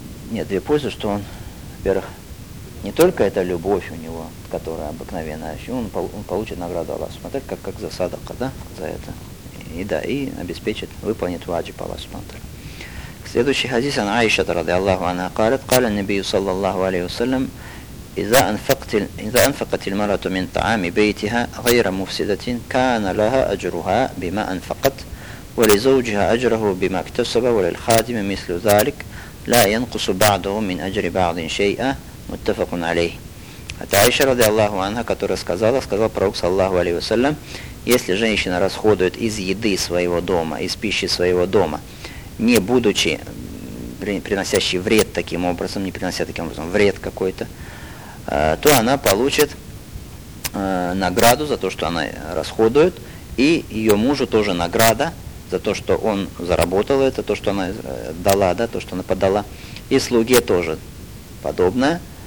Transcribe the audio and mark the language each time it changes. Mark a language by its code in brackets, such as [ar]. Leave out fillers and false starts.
[ru] Нет, две пользы, что он, во-первых, не только это любовь у него, которая обыкновенная, еще он получит награду Аллаха Субхану ва Тааля, как за садака, да, за это. И да, и обеспечит, выполнит ваджиб Аллаха Субхану ва Тааля. Следующий хадис [ar] عن عائشة رضي الله عنها قالت قال النبي صلى الله عليه وسلم إذا أنفقت المرأة من طعام بيتها غير مفسدة كان لها أجرها بما أنفقت ولزوجها أجره بما اكتسب وللخادم مثل ذلك لا ينقص بعضه من أجر بعض شيئا متفق عليه. [ru] Это Аиша رضي الله عنها, которая сказал пророк саллаллаху алейхи ва саллям, если женщина расходует из еды своего дома, из пищи своего дома, не будучи приносящей вред таким образом, не принося таким образом вред какой-то, то она получит награду за то, что она расходует, и ее мужу тоже награда за то, что он заработал это, то, что она дала, да, то, что она подала, и слуге тоже подобное.